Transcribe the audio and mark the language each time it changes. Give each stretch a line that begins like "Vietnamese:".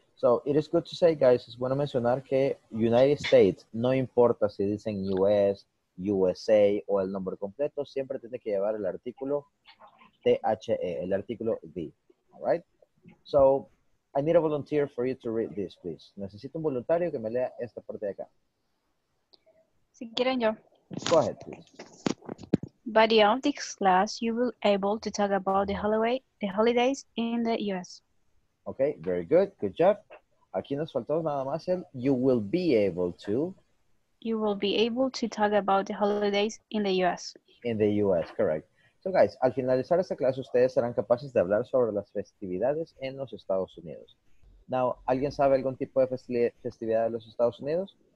English: So it is good to say, guys,
Spanish: es bueno mencionar que United States, no importa si dicen US, USA o el nombre completo, siempre tiene que llevar el artículo THE, el artículo THE. All right?
English: So I need a volunteer for you to read this, please.
Spanish: Necesito un voluntario que me lea esta parte de acá. Si quieren yo.
English: Go ahead, please. By the end of this class, you will be able to talk about the holidays in the US. Okay, very good. Good job.
Spanish: Aquí nos faltó nada más el
English: you will be able to. You will be able to talk about the holidays in the US. In the US, correct. So guys,
Spanish: al finalizar esta clase, ustedes serán capaces de hablar sobre las festividades en los Estados Unidos. Now, ¿alguien sabe algún tipo de festividad de los Estados Unidos?